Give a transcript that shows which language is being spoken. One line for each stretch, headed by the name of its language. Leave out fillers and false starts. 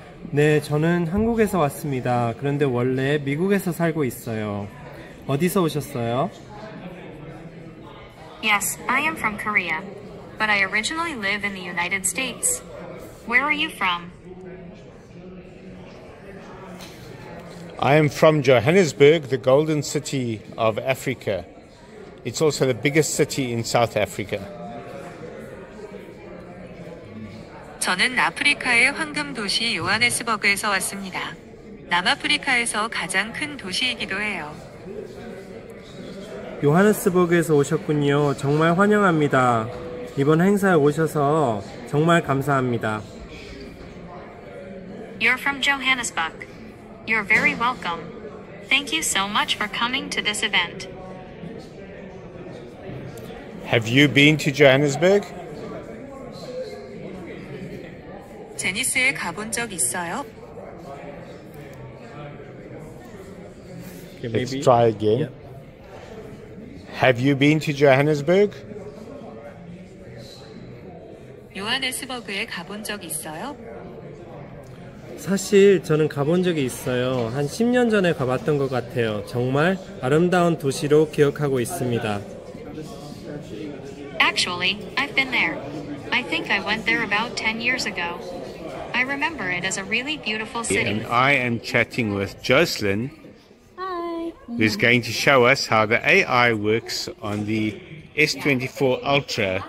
Korean: 네, 저는 한국에서 왔습니다. 그런데 원래 미국에서 살고 있어요. 어디서 오셨어요?
English: Yes, I am from Korea, but I originally live in the United States. Where are you from? I am from Johannesburg, the golden city of Africa. It's also the biggest city in South Africa.
Korean: 저는 아프리카의 황금 도시 요하네스버그에서 왔습니다. 남아프리카에서 가장 큰 도시이기도 해요. 요하네스버그에서 오셨군요. 정말 환영합니다. 이번 행사에 오셔서 정말 감사합니다.
English: You're from Johannesburg. You're very welcome. Thank you so much for coming to this event. Have you been to Johannesburg?
Korean: 제니스에 가본 적 있어요?
English: Okay, maybe. Let's try again. Yep. Have you been to Johannesburg?
Korean: 요하네스버그에 가본 적 있어요? 사실 저는 가본 적이 있어요. 한 10년 전에 가봤던 것 같아요. 정말 아름다운 도시로 기억하고 있습니다.
English: Actually, I've been there. I think I went there about 10 years ago. I remember it as a really beautiful city. And I am chatting with Jocelyn. Hi. Who's going to show us how the AI works on the S24 Ultra.